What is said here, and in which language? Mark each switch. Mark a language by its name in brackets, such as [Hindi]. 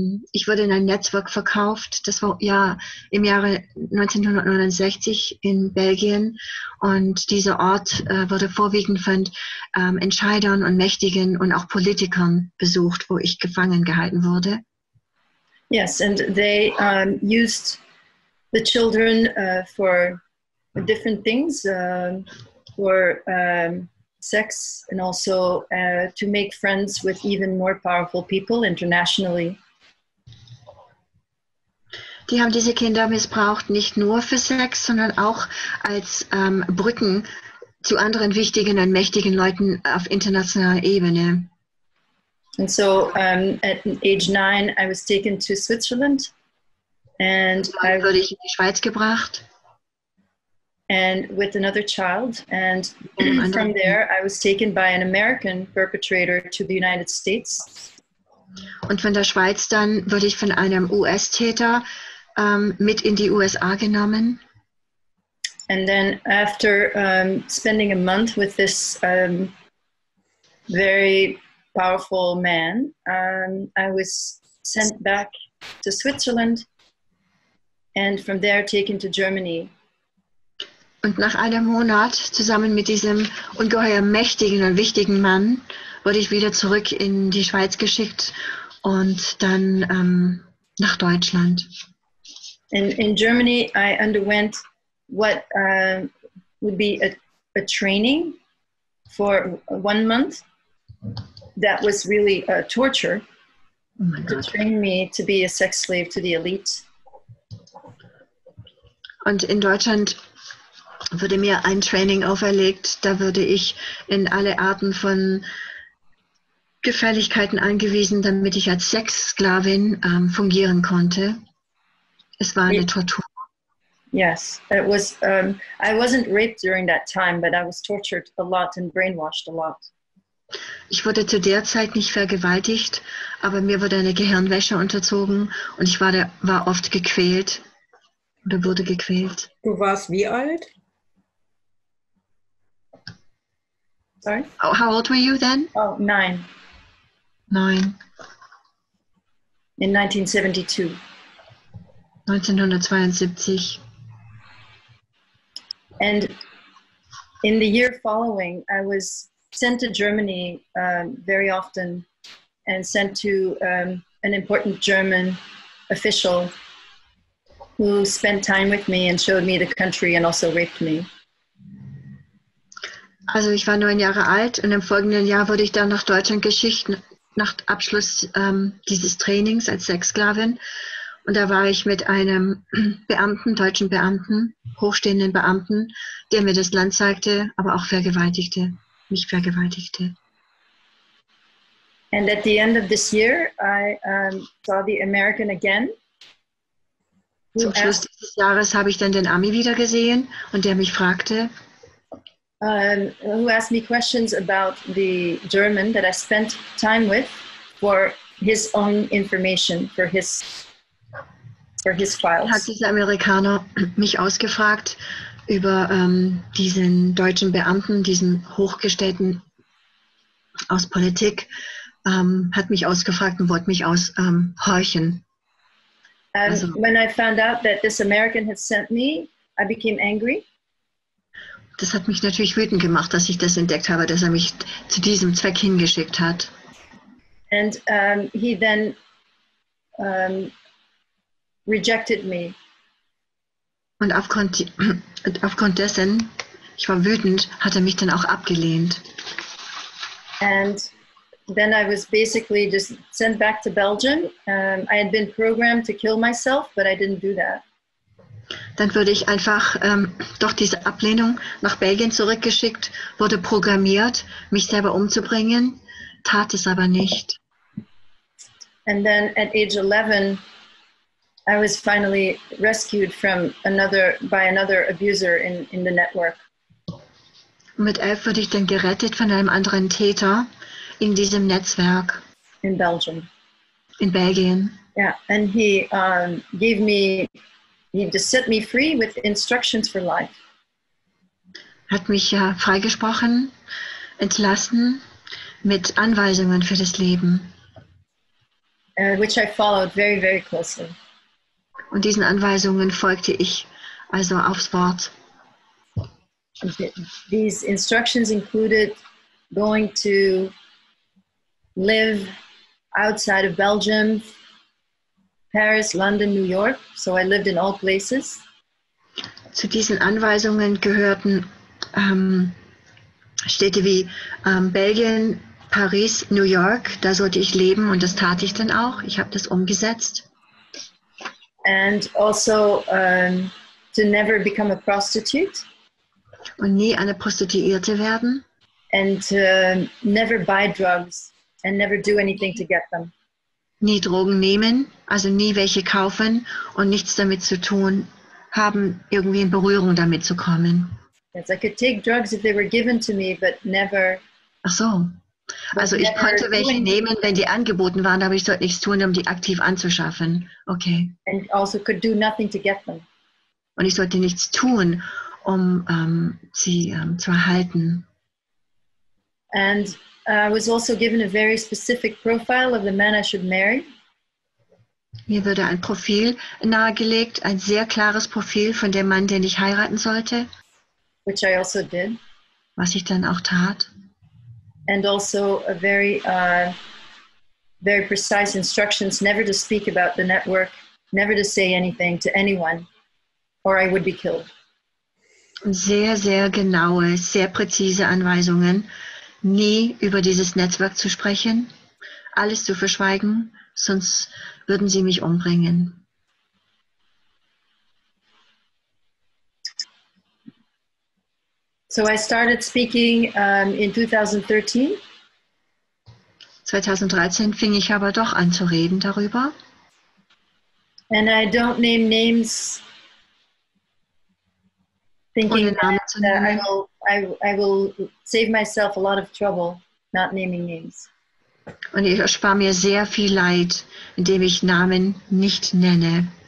[German] Ich wurde in ein Netzwerk verkauft, das war ja im Jahre 1969 in Belgien und dieser Ort wurde vorwiegend von Entscheidern und Mächtigen und auch Politikern besucht, wo ich gefangen gehalten wurde. [English] Yes, and they used the children for different things, for sex and also to make friends with even more powerful people internationally. [German] Die haben diese Kinder missbraucht, nicht nur für Sex, sondern auch als Brücken zu anderen wichtigen und mächtigen Leuten auf internationaler Ebene. [English] And so at age 9 I was taken to Switzerland and I [German] wurde ich in die Schweiz gebracht. [English] And with another child, and from there I was taken by an American perpetrator to the United States. [German] Und von der Schweiz dann wurde ich von einem US-Täter mit in die USA genommen. [English] And then after spending a month with this very powerful man, I was sent back to Switzerland and from there taken to Germany. [German] Und nach einem Monat zusammen mit diesem ungeheuer mächtigen und wichtigen Mann wurde ich wieder zurück in die Schweiz geschickt und dann nach Deutschland. [English] In Germany I underwent what would be a training for 1 month. That was really a torture to train me to be a sex slave to the elite. [German] Und in Deutschland wurde mir ein Training auferlegt, da würde ich in alle Arten von Gefährlichkeiten angewiesen, damit ich als Sexsklavin fungieren konnte. Es war eine Tortur. [English] Yes, it was. I wasn't raped during that time, but I was tortured a lot and brainwashed a lot. [German] Ich wurde zu der Zeit nicht vergewaltigt, aber mir wurde eine Gehirnwäsche unterzogen und ich war oft gequält oder wurde gequält. Du warst wie alt? [English] Sorry? How old were you then? Oh, 9. 9. In 1972. 1972. And in the year following, I was sent to Germany very often and sent to an important German official who spent time with me and showed me the country and also raped me. [German] Also ich war 9 Jahre alt und im folgenden Jahr wurde ich dann nach Deutschland geschickt, nach Abschluss dieses Trainings als Sexsklavin. Und da war ich mit einem Beamten, deutschen Beamten, hochstehenden Beamten, der mir das Land zeigte, aber auch vergewaltigte, mich vergewaltigte. [English] And at the end of this year, I saw the American again. [German] Zum Schluss dieses Jahres habe ich dann den Ami wieder gesehen und der mich fragte, [English] Who asked me questions about the German that I spent time with for his own information, for his files. [German] Hat dieser Amerikaner mich ausgefragt über diesen deutschen Beamten, diesen Hochgestellten aus Politik, hat mich ausgefragt und wollte mich aushorchen. [English] Also, when I found out that this American had sent me, I became angry. [German] Das hat mich natürlich wütend gemacht, dass ich das entdeckt habe, dass er mich zu diesem Zweck hingeschickt hat. [English] And he then rejected me. [German] Und aufgrund dessen, ich war wütend, hat er mich dann auch abgelehnt. [English] And then I was basically just sent back to Belgium. I had been programmed to kill myself, but I didn't do that. [German] Dann wurde ich einfach durch diese Ablehnung nach Belgien zurückgeschickt, wurde programmiert, mich selber umzubringen, tat es aber nicht. [English] And then at age 11, I was finally rescued from another abuser in the network. [German] Mit 11 wurde ich dann gerettet von einem anderen Täter in diesem Netzwerk. [English] In Belgium. [German] In Belgien. [English] Yeah, and he gave me. He just set me free with instructions for life. [German] Hat mich ja freigesprochen, entlassen mit Anweisungen für das Leben. [English] Which I followed very, very closely. [German] Und diesen Anweisungen folgte ich also aufs Wort. [English] These instructions included going to live outside of Belgium. Paris, London, New York. So I lived in all places. [German] Zu diesen Anweisungen gehörten Städte wie Belgien, Paris, New York, da sollte ich leben und das tat ich dann auch. Ich habe das umgesetzt. [English] And also to never become a prostitute. [German] Und nie eine Prostituierte werden. [English] And to never buy drugs and never do anything to get them. [German] Nie Drogen nehmen, also nie welche kaufen und nichts damit zu tun haben, irgendwie in Berührung damit zu kommen. [English] Yes, I could take drugs if they were given to me, but never. [German] Ach so. Also ich konnte welche nehmen, wenn die angeboten waren, aber ich sollte nichts tun, um die aktiv anzuschaffen. [English] Okay. And also could do nothing to get them. [German] Und ich sollte nichts tun, um sie zu erhalten. [English] And I was also given a very specific profile of the man I should marry. [German] Mir wurde ein Profil nahegelegt, ein sehr klares Profil von dem Mann, den ich heiraten sollte. [English] Which I also did. [German] Was ich dann auch tat. [English] And also a very very precise instructions never to speak about the network, never to say anything to anyone, or I would be killed. [German] Sehr, sehr genaue, sehr präzise Anweisungen, nie über dieses Netzwerk zu sprechen, alles zu verschweigen, sonst würden sie mich umbringen. [English] So I started speaking in 2013. [German] 2013 fing ich aber doch an zu reden darüber. [English] And I don't name names. Thinking that I will save myself a lot of trouble not naming names. [German] Und ich erspare mir sehr viel Leid, indem ich Namen nicht nenne.